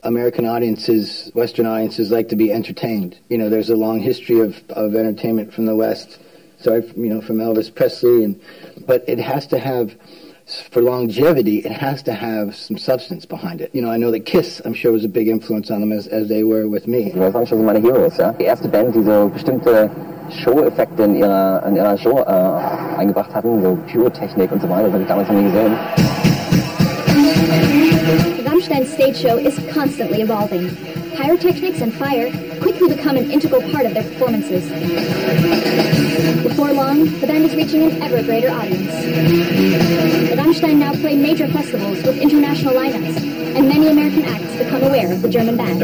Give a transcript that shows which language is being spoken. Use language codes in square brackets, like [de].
[en] American audiences, Western audiences like to be entertained. You know, there's a long history of entertainment from the West. Sorry, you know, from Elvis Presley. But it has to have... For longevity, it has to have some substance behind it. You know, I know that Kiss, I'm sure, was a big influence on them, as they were with me. [de] Die waren schon so meine Heroes, ja. Die erste Band, die so bestimmte Show-Effekte in ihrer Show eingebracht hatten, so Pyrotechnik und so weiter, das habe ich damals noch nie gesehen. [en] Rammstein's stage show is constantly evolving. Pyrotechnics and fire quickly become an integral part of their performances. Before long, the band is reaching an ever greater audience. The Rammstein now play major festivals with international lineups, and many American acts become aware of the German band.